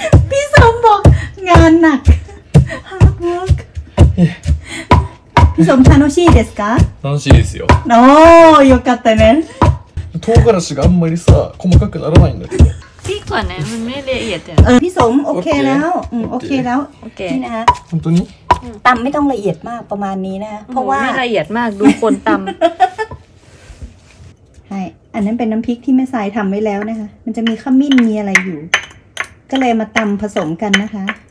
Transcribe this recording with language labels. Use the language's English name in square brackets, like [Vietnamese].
[Thai] พี่สมบอกงานหนักฮาร์ดเวิร์กพี่สม [Japanese] 楽しいですか楽しいですよ โอ้ยよかったね唐辛子があんまりさ細かくならないんだけ [Thai] どพี่ก่อนนะมันไม่ละเอียด เออพี่สมโอเคแล้วโอเคแล้ว โอเค นะ [Japanese] ฮะ本当に [Thai] ตำไม่ต้องละเอียดมากประมาณนี้นะเพราะว่า ไม่ละเอียดมากดูคนตำ ใช่อันนั้นเป็นน้ำพริกที่แม่สายทำไว้แล้วนะคะมันจะมีขมิ้นมีอะไรอยู่ก็เลยมาตำผสมกันนะคะ